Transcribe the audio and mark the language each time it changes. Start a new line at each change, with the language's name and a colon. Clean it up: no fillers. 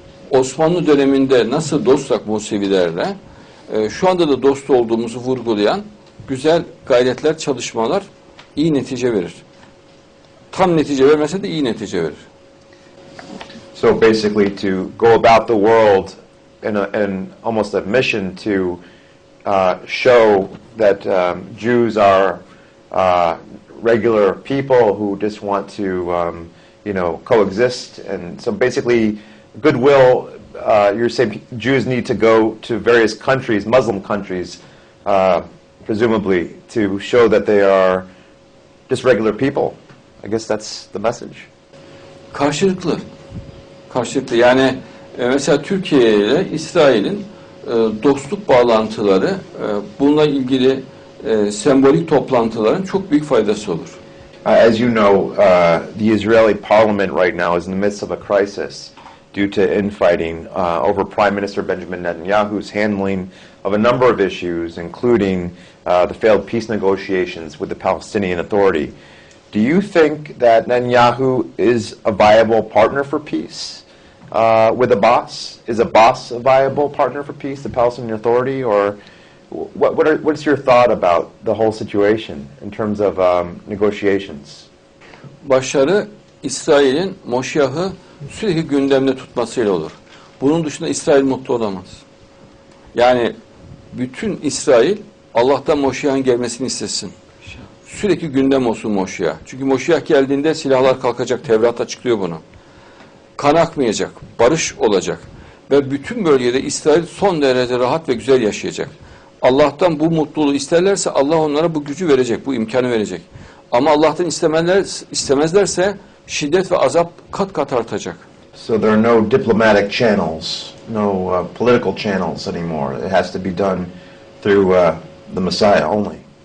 Turkish: Osmanlı döneminde nasıl dostsak Musevilerle, şu anda da dost olduğumuzu vurgulayan güzel gayretler, çalışmalar iyi netice verir. Tam netice vermese de iyi netice verir.
English: So basically to go about the world in almost a mission to show that Jews are regular people who just want to, you know, coexist. And so basically goodwill, you're saying Jews need to go to various countries, Muslim countries, presumably, to show that they are just regular people. I guess that's the message.
Turkish: Karşılıklı. Karşılıklı. Yani mesela Türkiye ile İsrail'in dostluk bağlantıları, bununla ilgili sembolik toplantıların çok büyük faydası olur.
English: As you know, the Israeli parliament right now is in the midst of a crisis due to infighting over Prime Minister Benjamin Netanyahu's handling of a number of issues, including the failed peace negotiations with the Palestinian Authority. Do you think that Netanyahu is a viable partner for peace with Abbas? Is Abbas a viable partner for peace, the Palestinian Authority, or what's your thought about the whole situation in terms of negotiations?
Turkish: Başarı İsrail'in Moşiyah'ı sürekli gündemde tutmasıyla olur. Bunun dışında İsrail mutlu olamaz. Yani bütün İsrail Allah'tan Moşiyah'ın gelmesini istesin. Sürekli gündem olsun Moşiyah. Çünkü Moşiyah geldiğinde silahlar kalkacak. Tevrat açıklıyor bunu. Kan akmayacak. Barış olacak. Ve bütün bölgede İsrail son derece rahat ve güzel yaşayacak. Allah'tan bu mutluluğu isterlerse Allah onlara bu gücü verecek, bu imkanı verecek. Ama Allah'tan istemezlerse şiddet ve azap kat kat artacak.
English: So there are no diplomatic channels, no political channels anymore. It has to be done through the Messiah only.